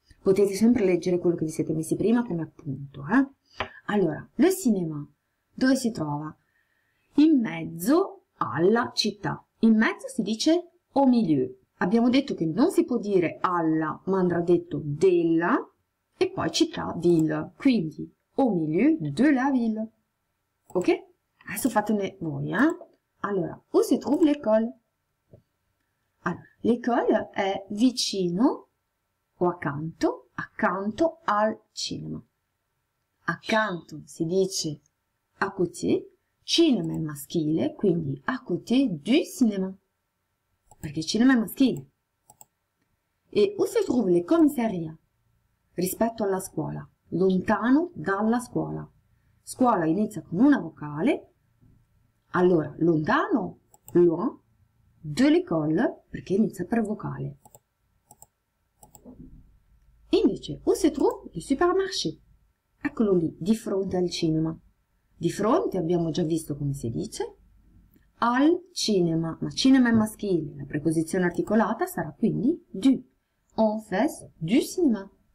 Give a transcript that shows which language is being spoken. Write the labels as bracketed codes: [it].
[it] Potete sempre leggere quello che vi siete messi prima come appunto, eh? Allora, le cinéma. Dove si trova? In mezzo alla città. In mezzo si dice au milieu. Abbiamo detto che non si può dire alla, ma andrà detto della, e poi città, ville. [fr] Quindi, au milieu de la ville. Ok? [it] Adesso fatene voi, eh? Allora, [fr] où se trouve l'école? [it] Allora, l'école è vicino o accanto? Accanto al cinema. Accanto si dice à côté, cinema è maschile, quindi [fr] à côté du cinéma, [it] perché cinema è maschile. [fr] E où se trouve le commissaria? [it] Rispetto alla scuola, lontano dalla scuola. Scuola inizia con una vocale, allora lontano, [fr] loin, de l'école, [it] perché inizia per vocale. [fr] Invece, où se trouve le supermarché? [it] Eccolo lì, di fronte al cinema. Di fronte abbiamo già visto come si dice al cinema, ma cinema è maschile, la preposizione articolata sarà quindi du, [fr] en face du cinéma.